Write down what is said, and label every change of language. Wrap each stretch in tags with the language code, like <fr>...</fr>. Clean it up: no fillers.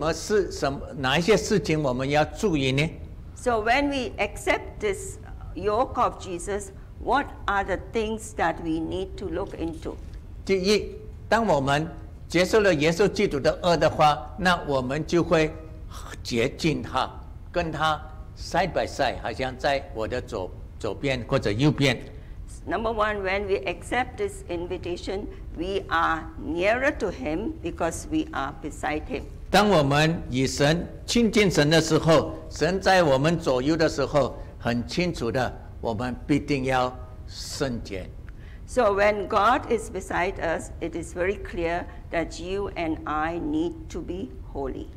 <zh>会有什么改变呢？会有什么事？哪一些事情我们要注意呢？</zh> <en>So when we accept this yoke of Jesus, what are the things that we need to look into?</en> <zh>第一，当我们接受了耶稣基督的恩的话，那我们就会接近他。跟他</zh> <en>side by side，</en> <zh>好像在我的左边或者右边。</zh> <en>Number one, when we accept this invitation, we are nearer to Him because we are beside Him.</en> <zh>当我们与神亲近神的时候，神在我们左右的时候，很清楚的，我们必定要圣洁。</zh> <en>So when God is beside us, it is very clear that you and I need to be holy.</en>